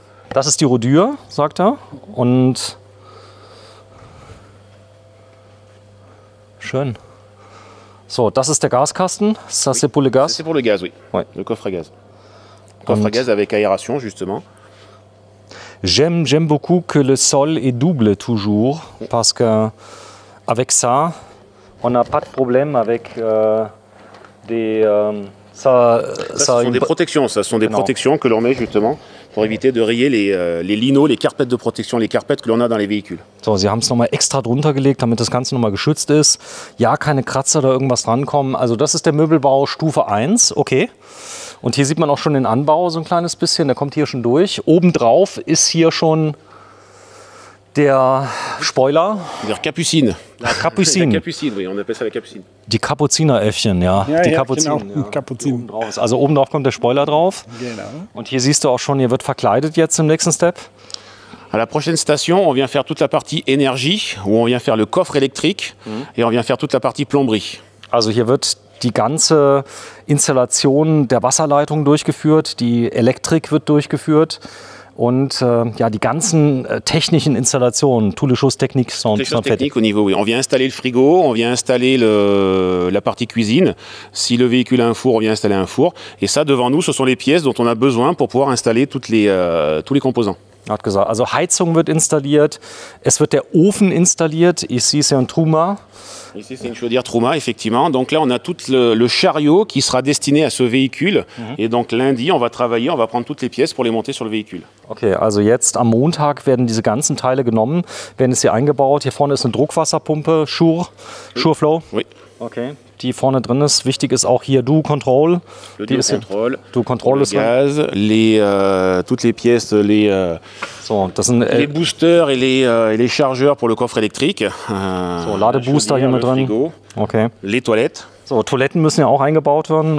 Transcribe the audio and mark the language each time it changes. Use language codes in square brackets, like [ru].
[de] Das ist Styrodur, sagt er. Und schön. So, das ist der Gaskasten. [fr] Ça, oui. C'est pour le gaz. C'est pour le gaz, oui. Oui. Le coffre à gaz. Coffre à gaz avec aération, justement. J'aime beaucoup que le sol est double toujours, parce que avec ça, on n'a pas de problème avec des... Ça, ce sont des protections, ça sont des protections que l'on met justement, pour éviter de rayer les linos, les carpettes de protection, les carpettes que l'on a dans les véhicules. [de] So, Sie haben es nochmal extra drunter gelegt, damit das Ganze nochmal geschützt ist. Ja, keine Kratzer oder irgendwas drankommen. Also das ist der Möbelbau Stufe 1, okay. Und hier sieht man auch schon den Anbau so ein kleines bisschen, der kommt hier schon durch. Obendrauf ist hier schon der Spoiler. Der Kapucine. Kapucine. [fr] La Kapucine, oui, on appelle ça la Kapucine. [de] Die Kapuzineräffchen, ja. Die Kapuzine. Genau. Kapuzin. Also obendrauf kommt der Spoiler drauf. Genau. Und hier siehst du auch schon, hier wird verkleidet jetzt im nächsten Step. [fr] À la prochaine station, on vient faire toute la partie énergie, où on vient faire le coffre électrique, et on vient faire toute la partie plomberie. [de] Also hier wird die ganze Installation der Wasserleitung durchgeführt, die Elektrik wird durchgeführt und ja, die ganzen technischen Installationen, [fr] toutes les choses techniques sont faites. Toutes les choses techniques au niveau, oui. On vient installer le frigo, on vient installer la partie cuisine. Si le véhicule a un four, on vient installer un four. Et ça, devant nous, ce sont les pièces dont on a besoin pour pouvoir installer tous les composants. [de] Er hat gesagt, also Heizung wird installiert, es wird der Ofen installiert, [fr] ici c'est un Truma. Ici c'est une chaudière Truma, effectivement. Donc là on a tout le chariot qui sera destiné à ce véhicule. Et donc lundi on va travailler, on va prendre toutes les pièces pour les monter sur le véhicule. [de] Okay, also jetzt am Montag werden diese ganzen Teile genommen, werden es hier eingebaut. Hier vorne ist eine Druckwasserpumpe, Schurflow. [fr] Oui. [de] Okay. Die vorne drin ist. Wichtig ist auch hier Du Control. [fr] Le Du Control. Du Control [de] ist Gas, [fr] toutes les pièces, les Booster et les chargeurs pour le coffre électrique. [de] So, Ladebooster hier mit drin. [fr] Frigo. Okay. Les Toilettes. [de] So, Toiletten müssen ja auch eingebaut werden.